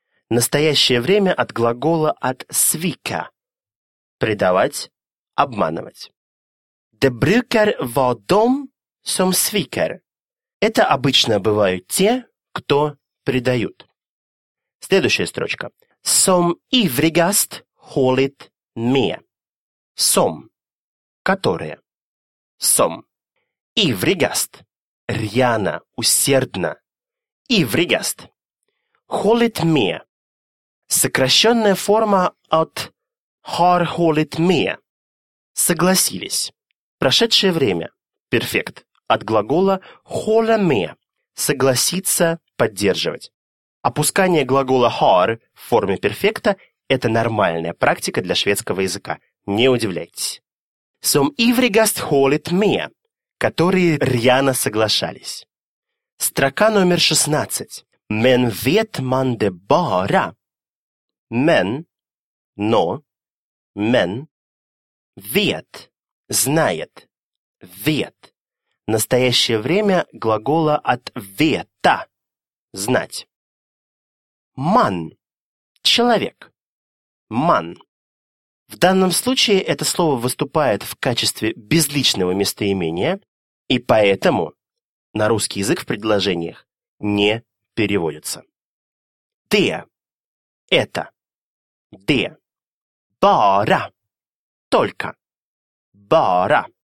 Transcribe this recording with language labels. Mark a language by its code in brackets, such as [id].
[ru] Настоящее время от глагола от свика. Предавать, обманывать. [sv] De brukar vara dom som sviker. [ru] Это обычно бывают те, кто предают. Следующая строчка. [sv] Som ivrigast hållit med. Som. [ru] Которые. [sv] Som. Ivrigast. [ru] Рьяно, усердно. [sv] Ivrigast. Hållit med. [ru] Сокращенная форма от [sv] har hållit med. [ru] Согласились. Прошедшее время. Перфект. От глагола hålla med. Согласиться, поддерживать. Опускание глагола har в форме перфекта – это нормальная практика для шведского языка. Не удивляйтесь. [sv] Som ivrigast hållit med. [ru] Которые рьяно соглашались. Строка номер 16. [sv] Men vet man det bara. Men, [ru] но, [sv] men, vet, [ru] знает, [sv] vet. [ru] Настоящее время глагола от veta, знать. [sv] Man, [ru] человек, [sv] man. [ru] В данном случае это слово выступает в качестве безличного местоимения, и поэтому на русский язык в предложениях не переводится. Ты это. Де. Бара. Только. Бара.